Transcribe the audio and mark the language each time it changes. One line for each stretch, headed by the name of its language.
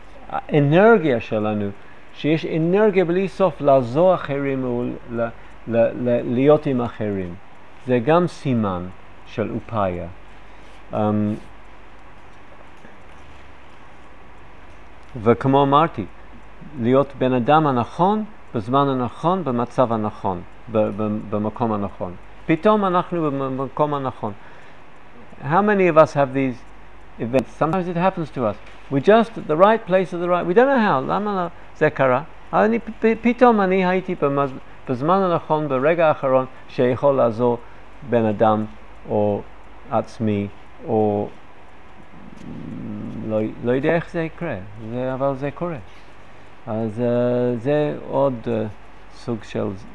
Hebrew: האנרגיה שלנו, שיש אנרגיה בלי סוף לעזור אחרים ולהיות עם אחרים, זה גם סימן של אופיה. וכמו אמרתי, להיות בן אדם הנכון, בזמן הנכון, במצב הנכון, במקום הנכון. פתאום אנחנו במקום הנכון.
English: How many of us have these events? Sometimes it happens to us. We're just at the right place at the right... We don't know how.
Hebrew: למה זה קרה? פתאום אני הייתי בזמן הנכון, ברגע האחרון, שיכול לעזור בן אדם או עצמי או... לא יודע איך זה יקרה, אבל זה קורה. אז זה עוד סוג של...